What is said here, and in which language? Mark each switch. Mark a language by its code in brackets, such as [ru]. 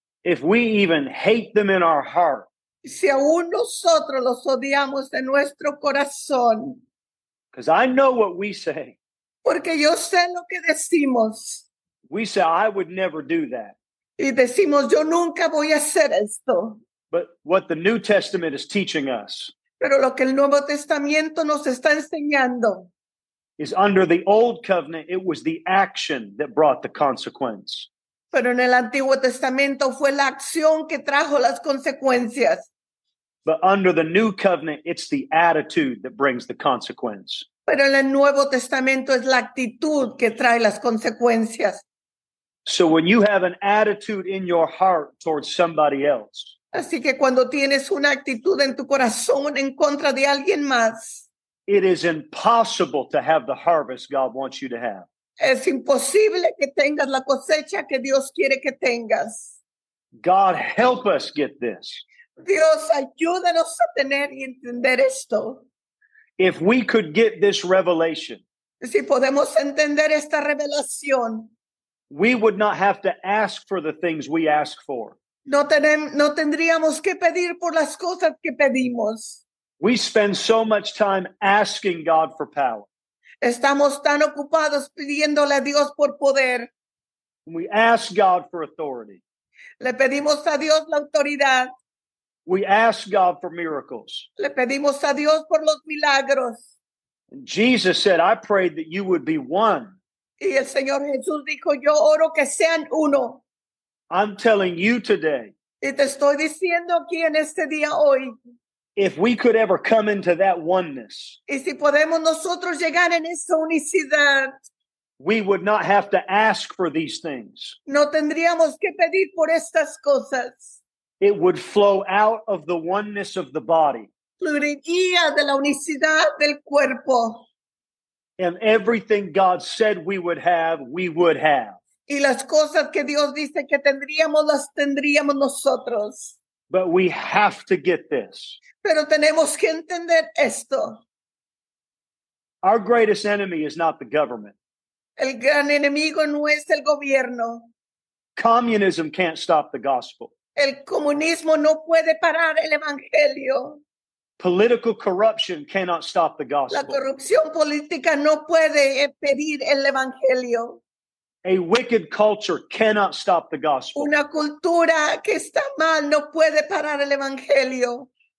[en] If we even hate them in our heart. [es] Si aún nosotros los odiamos en nuestro corazón. [en] Because I know what we say. [es] Porque yo sé lo que decimos. [en] We say, I would never do that. [es] Y decimos, yo nunca voy a hacer esto. [en] But what the New Testament is teaching us. [es] Pero lo que el Nuevo Testamento nos está enseñando. [en] Is under the Old Covenant, it was the action that brought the consequence. [es] Pero en el Antiguo Testamento fue la acción que trajo las consecuencias. [en] But under the New Covenant, it's the attitude that brings the consequence. [es] Pero en el Nuevo Testamento es la actitud que trae las consecuencias. [en] So when you have an attitude in your heart towards somebody else. [es] Así que cuando tienes una actitud en tu corazón en contra de alguien más. [en] It is impossible to have the harvest God wants you to have. [es] Es imposible que tengas la cosecha que Dios quiere que tengas. [en] God help us get this. [es] Dios, ayúdanos a tener y entender esto. [en] If we could get this revelation, [es] si podemos entender esta revelación, [en] we would not have to ask for the things we ask for. [es] No tendríamos que pedir por las cosas que pedimos. [en] We spend so much time asking God for power. [es] Estamos tan ocupados pidiéndole a Dios por poder. [en] We ask God for authority. [es] Le pedimos a Dios la autoridad. [en] We ask God for miracles. [es] Le pedimos a Dios por los milagros. [en] And Jesus said, I prayed that you would be one. [es] Y el Señor Jesús dijo, yo oro que sean uno. [en] I'm telling you today. [es] Y te estoy diciendo aquí en este día hoy. [en] If we could ever come into that oneness. [es] Y si podemos nosotros llegar en esa unicidad. [en] We would not have to ask for these things. [es] No tendríamos que pedir por estas cosas. [en] It would flow out of the oneness of the body. [es] Fluiría de la unicidad del cuerpo. [en] And everything God said we would have, we would have. [es] Y las cosas que Dios dice que tendríamos, las tendríamos nosotros. [en] But we have to get this. [es] Pero tenemos que entender esto. [en] Our greatest enemy is not the government. [es] El gran enemigo no es el gobierno. [en] Communism can't stop the gospel. [es] El comunismo no puede parar el evangelio. [en] Political corruption cannot stop the gospel. [es] La corrupción política no puede impedir el evangelio. [en] A wicked culture cannot stop the gospel. [es] Una cultura que está mal no puede parar el evangelio.